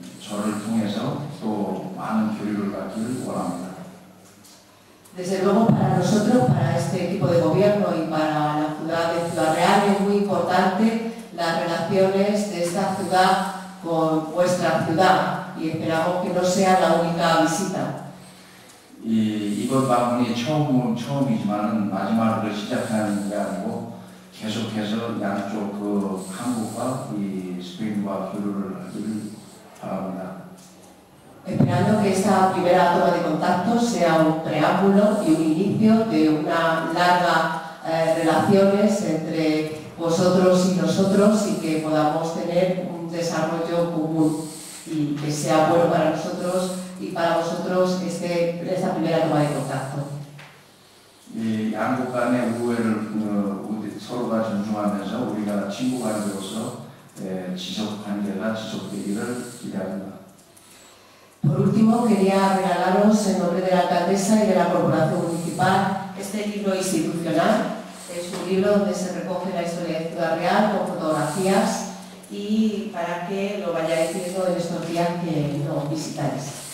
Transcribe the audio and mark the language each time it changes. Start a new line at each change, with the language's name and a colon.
Korean: 저를 통해서 또 많은 교류를 갖기를 원합니다.
Spanish: Desde luego para nosotros, para este equipo de gobierno y para la ciudad de Ciudad Real es muy importante las relaciones de esta ciudad con vuestra ciudad y esperamos que no sea la única visita.
Korean: 이번 방문이 처음이지만 마지막으로 시작하는 게 아니고 계속해서 양쪽 그 한국과 이 스페인과 교류를 하기를 바랍니다.
Spanish: Esperando que esta primera toma de contacto sea un preámbulo y un inicio de una larga relaciones entre vosotros y nosotros y que podamos tener un desarrollo común y que sea bueno para nosotros y para vosotros esta primera toma de contacto.
Korean: 양국 간의 우애를 서로가 존중하면서 우리가 친구 관계로서 지속 관계가 지속되기를 기대합니다.
Spanish: Por último, quería regalaros en nombre de la alcaldesa y de la corporación municipal este libro institucional. Es un libro donde se recoge la historia de Ciudad Real con fotografías y para que lo vayáis viendo en estos días que nos visitáis.